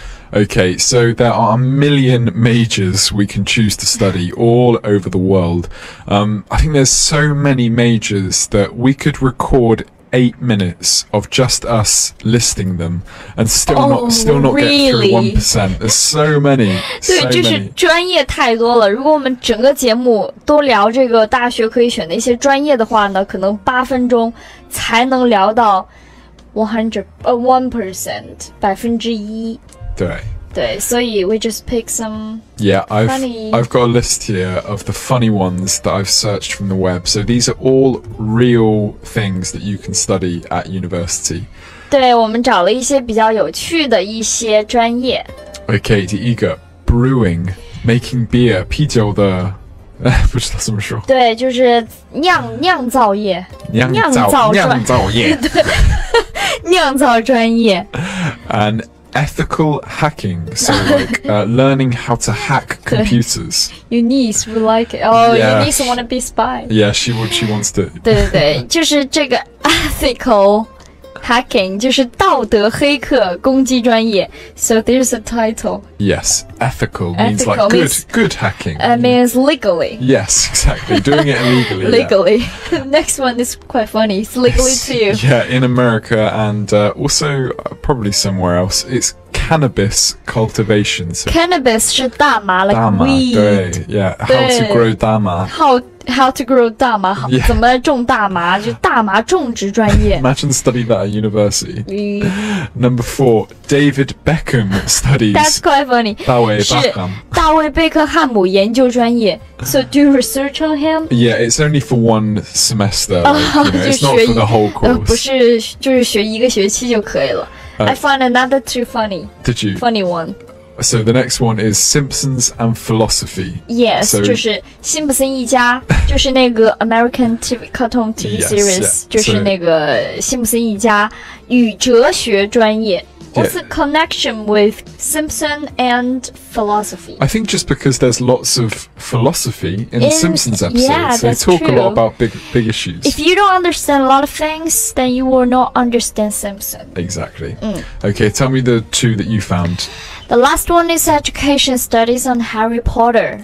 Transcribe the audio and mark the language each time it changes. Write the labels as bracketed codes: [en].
[en] Okay, so there are a million majors we can choose to study all over the world. I think there's so many majors that we could record 8 minutes of just us listing them and still not really? Get through 1%. There's so many. [zh] 对， [en] so many. [zh] 就是专业太多了。如果我们整个节目都聊这个大学可以选的一些专业的话呢，可能8分钟才能聊到1%, 1%。对。对，所以 [en] we just pick some. Yeah, I've got a list here of the funny ones that I've searched from the web. So these are all real things that you can study at university. [zh] 对，我们找了一些比较有趣的一些专业。 Okay, 第一个 brewing, [en] making beer, [zh] 啤酒的，不知道怎么说。对，就是酿造业。酿造业。对，酿造专业。 [en] And. Ethical hacking, so like learning how to hack computers. Your niece would like it. Oh, yeah. Your niece want to be spy. Yeah, she would. She wants to. [zh] 对对对，就是这个 ethical hacking, 就是道德黑客攻击专业 [en] So there's a title. Yes, ethical means ethical like good, means, good hacking. It means legally. Yes, exactly. Doing it illegally. Legally.、 Yeah. Next one is quite funny. It's legally to you. Yeah, in America and also probably somewhere else. It's cannabis cultivation.、So、 [zh] cannabis 是大麻 like dama, [en] weed. 对 yeah, 对 how to grow 大麻 How to grow 大麻、 yeah. [zh] 怎么种大麻就大麻种植专业 [en] Imagine studying that at university Number four David Beckham studies That's quite funny [zh] 大卫贝克汉姆研究专业 [en] So do you research on him? Yeah, it's only for one semester like, you know, It's not for the whole course [zh] 不是就是学一个学期就可以了 [en] I found another too funny Did you? Funny one So the next one is Simpsons and Philosophy. [zh] Yes, so, 就是辛普森一家，就是那个 [en] American TV, cartoon TV yes, series,、 yeah. [zh] 就是那个辛普森一家与哲学专业。 [en] What's the connection with Simpson and philosophy? I think just because there's lots of philosophy in the Simpsons episodes. Yeah, that's true. They talk a lot about big issues. If you don't understand a lot of things, then you will not understand Simpson. Exactly.、Mm. Okay, tell me the two that you found. The last one is education studies on Harry Potter.